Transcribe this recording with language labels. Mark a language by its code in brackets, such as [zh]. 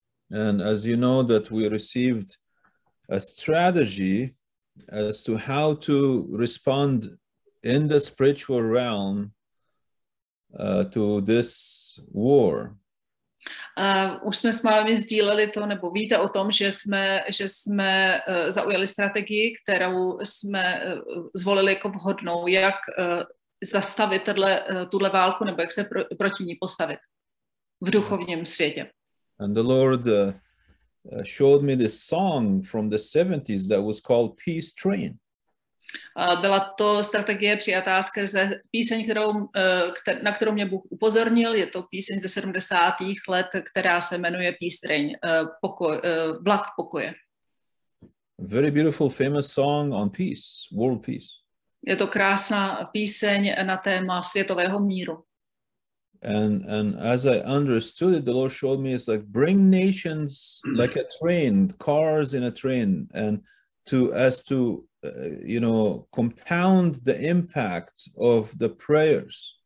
[en] And as you know, that we received a strategy as to how to respond in the spiritual realm to this war. [cs] Už jsme s vámi sdíleli to, nebo víte o tom, že jsme zaujali strategii, kterou jsme zvolili jako vhodnou, jak zastavit tuhle válku, nebo jak se proti ní postavit v duchovním světě. [en] And the Lord showed me this song from the 70s that was called Peace Train. [cs] Byla to strategie přijatá skrze píseň, na kterou mě Bůh upozornil. Je to píseň ze 70. let, která se jmenuje Peace Train, vlak pokoje. [en] Very beautiful, famous song on peace, world peace. [cs] Je to krásná píseň na téma světového míru. [en] And as I understood it, the Lord showed me it's like bring nations like a train, cars in a train, and to compound the impact of the prayers.